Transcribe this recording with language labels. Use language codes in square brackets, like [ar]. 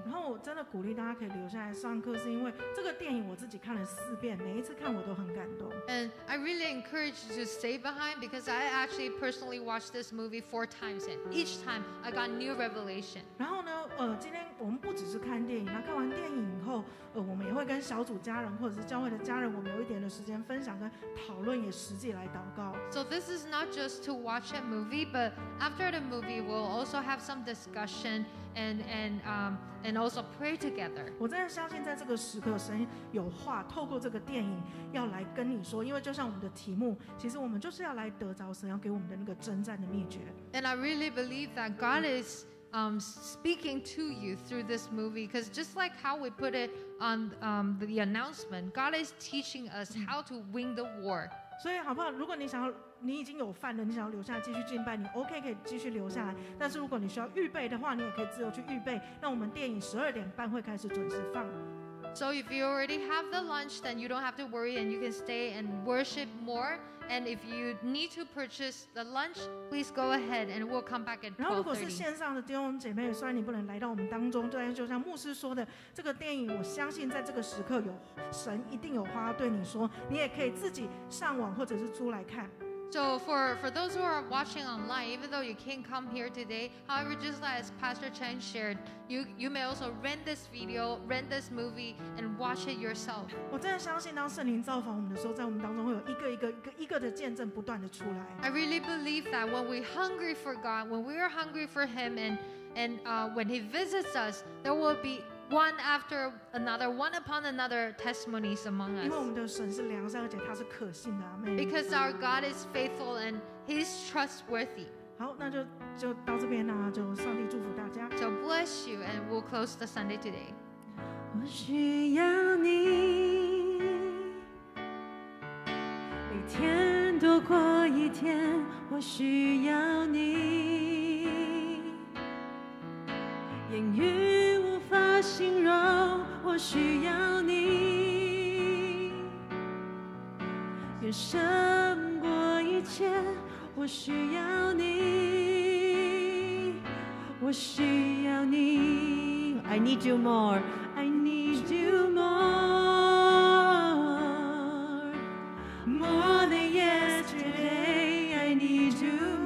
[zh] 然后我真的鼓励大家可以留下来上课，是因为这个电影我自己看了四遍，每一次看我都很感动。 [en] And I really encourage you to stay behind because I actually personally watched this movie 4 times and each time I got new revelation. [zh] 然后呢，今天我们不只是看电影，那看完电影以后，我们也会跟小组家人或者是教会的家人，我们有一点的时间分享跟讨论，也实际来祷告。 [en] So this is not just to watch a movie, but after the movie, we'll also have some discussion and also pray together. [zh] 我真的相信，在这个时刻，神有话透过这个电影要来跟你说，因为就像我们的题目，其实我们就是要来得着神要给我们的那个征战的秘诀。 [en] And I really believe that God is. Speaking to you through this movie, because just like how we put it on the announcement, God is teaching us how to win the war. [zh] 所以好不好？如果你想要，你已经有饭了，你想要留下来继续敬拜，你 OK 可以继续留下来。但是如果你需要预备的话，你也可以自由去预备。那我们电影十二点半会开始准时放。 [en] So if you already have the lunch, then you don't have to worry, and you can stay and worship more. And if you need to purchase the lunch, please go ahead, and we'll come back at 12:30. [zh] 然后，如果是线上的弟兄姐妹，虽然你不能来到我们当中，但就像牧师说的，这个电影，我相信在这个时刻有神一定有话要对你说，你也可以自己上网或者是出来看。 [en] So for those who are watching online, even though you can't come here today, however, just like as Pastor Chen shared, you may also rent this video, rent this movie, and watch it yourself. [zh] 我真的相信，当圣灵造访我们的时候，在我们当中会有一个一个一个一个的见证不断的出来。 [en] I really believe that when we're hungry for God, when we are hungry for Him, and when He visits us, there will be. One after another, one upon another, testimonies among us. [zh] 因为我们的神是良善，而且他是可信的。 [en] Amen. Because our God is faithful and He's trustworthy. [zh] 好，那就到这边啦、啊。就上帝祝福大家。 [en] So bless you, and we'll close the Sunday today. [zh] 我需要你，一天多过一天，我需要你，言语。形容我需要你，愿胜过一切，我需要你，我需要你。 [en] I need you more, I need you more, more than yesterday, I need you.